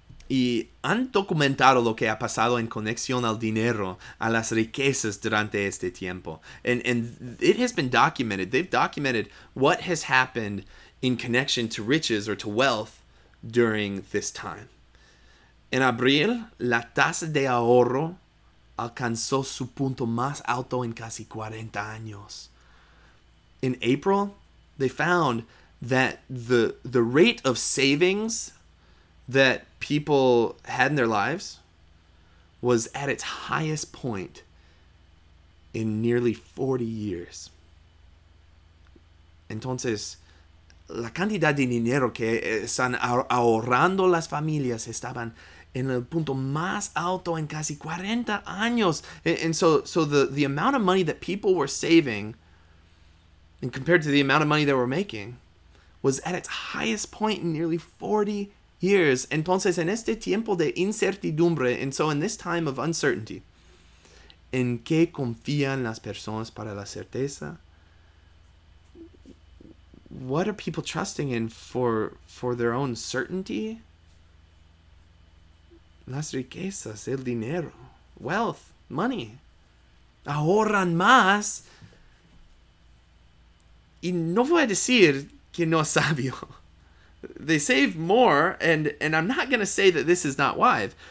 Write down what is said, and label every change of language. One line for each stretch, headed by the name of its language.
Spanish: Y han documentado lo que ha pasado en conexión al dinero, a las riquezas durante este tiempo.
English: And it has been documented. They've documented what has happened in connection to riches or to wealth during this time.
Spanish: En abril, la tasa de ahorro alcanzó su punto más alto en casi 40 años.
English: In April, they found that the rate of savings that people had in their lives was at its highest point in nearly 40 years.
Spanish: Entonces, la cantidad de dinero que están ahorrando las familias estaban en el punto más alto en casi 40 años.
English: And so the amount of money that people were saving and compared to the amount of money they were making was at its highest point in nearly 40 years.
Spanish: Entonces, en este tiempo de incertidumbre,
English: and so in this time of uncertainty,
Spanish: ¿En qué confían las personas para la certeza?
English: What are people trusting in for their own certainty?
Spanish: Las riquezas, el dinero,
English: wealth, money.
Spanish: Ahorran más. Y no voy a decir que no es sabio.
English: They save more, and I'm not going to say that this is not wise.